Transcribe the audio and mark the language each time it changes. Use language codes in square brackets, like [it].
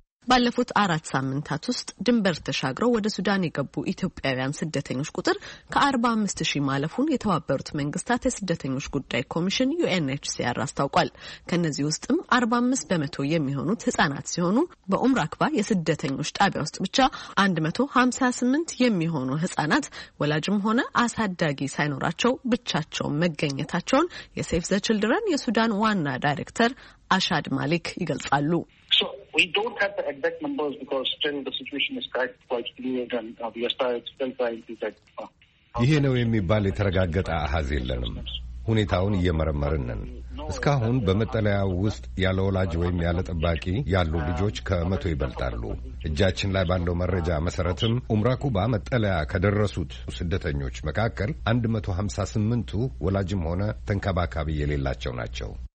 [am] ባለፉት 4 ሳምንታት ውስጥ ድንበር ተሻግረው ወደ ሱዳን የገቡ ኢትዮጵያውያን ስደተኞች ቁጥር ከ45,000 ማለፉን የተባበሩት መንግስታት የስደተኞች ጉዳይ ኮሚሽን UNHCR አስታውቋል። ከነዚህ ውስጥም 45% የሚሆኑት ህጻናት ሲሆኑ በኡምራክባ የስደተኞች ጣቢያ ውስጥ ብቻ 158 የሚሆኑ ህጻናት ወላጅም ሆነ አሳዳጊ ሳይኖራቸው ብቻቸው መገኘታቸውን የሴፍ ዘ ችልድረን የሱዳን ዋና ዳይሬክተር አሻድ ማሊክ ይገልጻሉ። [en] We don't have the exact numbers because still the situation is quite fluid and we are still trying to get [am] ይሄ ነው የሚባል የተረጋገጠ አሃዝ የለንም። ሁኔታውን እየመረመርን ነን። እስካሁን በመጠለያው ውስጥ ያለ ወላጅ ወይም ያለ ጠባቂ ያሉ ልጆች ከ100 ይበልጣሉ። እጃችን ላይ ባለው መረጃ መሰረትም ኡምራኩባ መጠለያ ከደረሱት ስደተኞች መካከል 158ቱ ወላጅም ሆነ ተንከባካቢ የሌላቸው ናቸው።